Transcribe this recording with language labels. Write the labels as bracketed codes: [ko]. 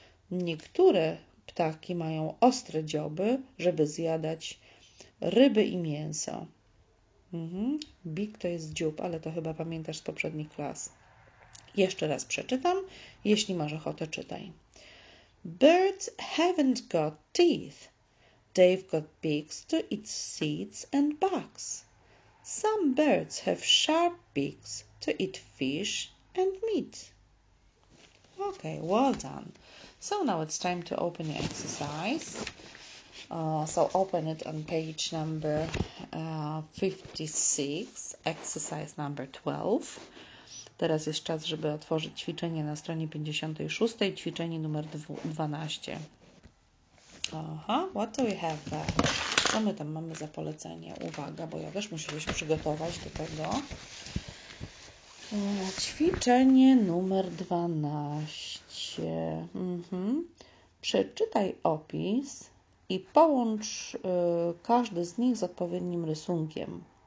[pl] Niektóre ptaki mają ostre dzioby, żeby zjadać ryby i mięso. Big to jest dziób, ale to chyba pamiętasz z poprzednich klas. Jeszcze raz przeczytam. Jeśli masz ochotę, czytaj. [en] Birds haven't got teeth. They've got beaks to eat seeds and bugs. Some birds have sharp beaks to eat fish and meat. Okay, well done. So now it's time to open your exercise. So open it on page number 56, exercise number 12. [pl] Teraz jest czas, żeby otworzyć ćwiczenie na stronie 56, ćwiczenie numer 12. [en] Aha, what do we have there? [pl] Co my tam mamy za polecenie? Uwaga, bo ja też muszę się przygotować do tego. Ćwiczenie numer 12. Przeczytaj opis i połącz każdy z nich z odpowiednim rysunkiem.